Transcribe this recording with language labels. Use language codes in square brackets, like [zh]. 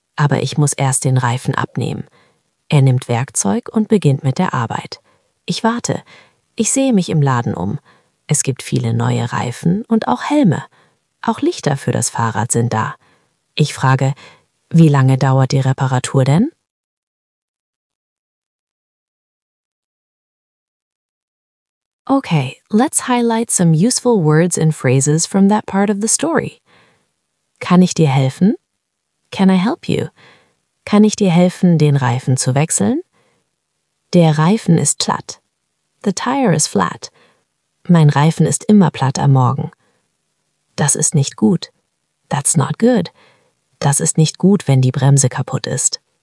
[de] Aber ich muss erst den Reifen abnehmen. Er nimmt Werkzeug und beginnt mit der Arbeit. Ich warte. Ich sehe mich im Laden um. Es gibt viele neue Reifen und auch Helme. Auch Lichter für das Fahrrad sind da. Ich frage, wie lange dauert die Reparatur denn? [en] Okay, let's highlight some useful words and phrases from that part of the story. [de] Kann ich dir helfen? [en] Can I help you? [de] Kann ich dir helfen, den Reifen zu wechseln? Der Reifen ist platt. [en] The tire is flat. [de] Mein Reifen ist immer platt am Morgen. Das ist nicht gut. [en] That's not good. [de] Das ist nicht gut, wenn die Bremse kaputt ist.